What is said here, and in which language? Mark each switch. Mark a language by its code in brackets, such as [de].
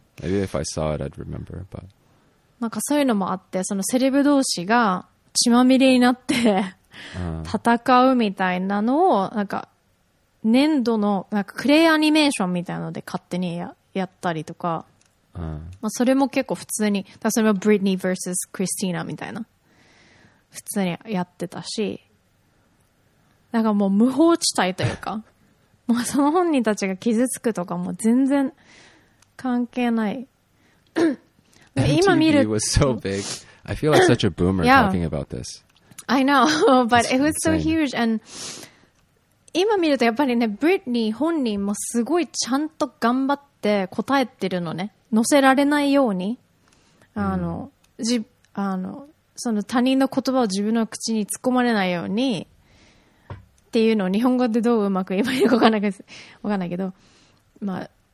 [en] Maybe if I saw it I'd remember, but [ja] なんかそういうのもあって、そのセレブ同士が血まみれになって戦うみたいなのを、なんか粘土のなんかクレイアニメーションみたいなので勝手に やったりとか、まあ、それも結構普通に、だそれもブリッニー vs クリスティーナみたいな普通にやってたし、なんかもう無法地帯というかもうその本人たちが傷つくとかも全然関係ない。今見る [en] MTV was so big. I feel like such a boomer talking about this. I know, but it was so huge. And [ja] 今見るとやっぱりね、ブリッニー本人もすごいちゃんと頑張って答えてるのね、乗せられないように、その他人の言葉を自分の口に突っ込まれないようにっていうのを、日本語でどううまく言えばいいのか分かんないけど、まあ、